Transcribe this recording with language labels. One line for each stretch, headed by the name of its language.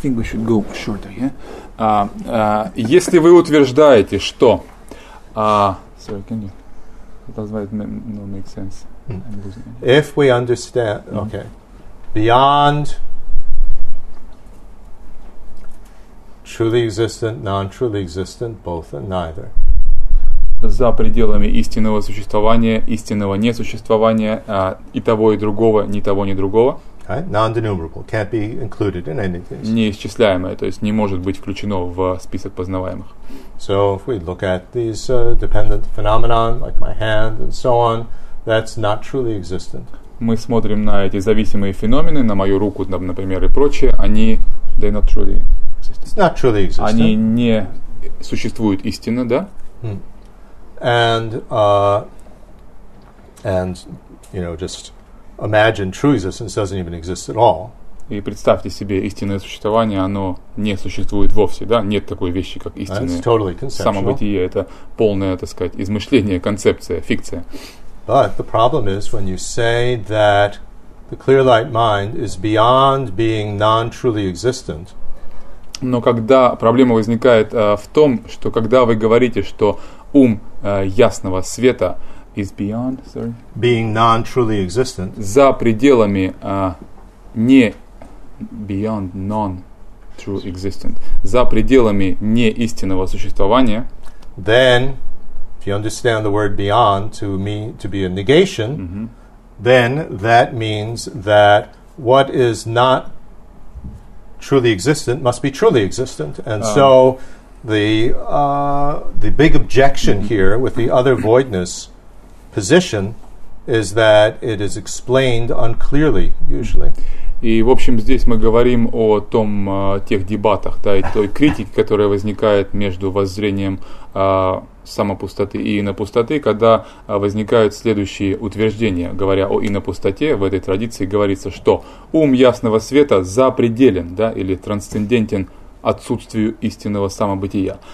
English: I think we should go shorter, yeah?
Russian: Если вы утверждаете, что...
English: Sorry, can you... That's why it don't make sense. If we understand... Mm-hmm. Okay. Beyond truly existent, non-truly existent, both and neither.
Russian: За пределами истинного существования, истинного несуществования, и того, и другого, ни того, ни другого.
English: Right? Non-denumerable, can't be included in anything.
Russian: Неисчисляемое, то есть не может быть включено в список познаваемых.
English: So if we look at these dependent phenomena, like my hand and so on, that's not truly existent.
Russian: Мы смотрим на эти зависимые феномены, на мою руку, например, и прочее, они,
English: they're not truly existent. It's not truly existent.
Russian: Они не существуют истинно, да? Hmm.
English: And you know, just imagine true existence doesn't even exist at all.
Russian: И представьте себе истинное существование, оно не существует вовсе, да? Нет такой вещи, как истинное.
English: Totally conceptual.
Russian: Самобытие — это полное, так сказать, измышление, концепция, фикция.
English: But the problem is when you say that the clear light mind is beyond being non-truly existent.
Russian: Но когда проблема возникает в том, что когда вы говорите, что ум ясного света
English: is beyond, sorry, being non-truly existent,
Russian: за пределами не
English: beyond non-true existent,
Russian: за пределами неистинного существования,
English: then if you understand the word beyond to me to be a negation, mm-hmm. then that means that what is not truly existent must be truly existent, and so the big objection here with the other voidness position is that it is explained unclearly usually.
Russian: И в общем здесь мы говорим о том тех дебатах, да, и той критике, которая возникает между воззрением самопустоты и инопустоты, когда возникают следующие утверждения. Говоря о инопустоте, в этой традиции говорится, что ум ясного света запределен, да, или трансцендентен отсутствию истинного самобытия.